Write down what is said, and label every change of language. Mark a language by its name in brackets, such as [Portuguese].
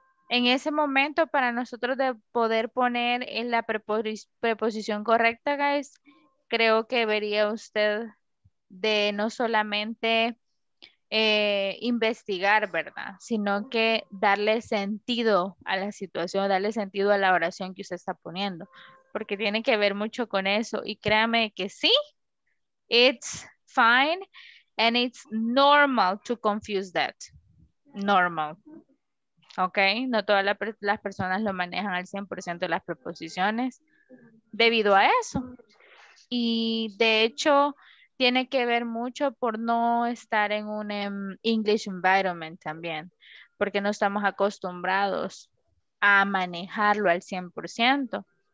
[Spanish] En ese momento, para nosotros de poder poner en la preposición correcta, guys, creo que debería usted de no solamente investigar, ¿verdad? Sino que darle sentido a la situación, darle sentido a la oración que usted está poniendo. Porque tiene que ver mucho con eso. Y créame que sí, [English] it's fine and it's normal to confuse that. [Spanish] Normal. Ok, no todas las personas lo manejan al 100% de las preposiciones debido a eso. Y de hecho, tiene que ver mucho por no estar en un English environment también, porque no estamos acostumbrados a manejarlo al 100%.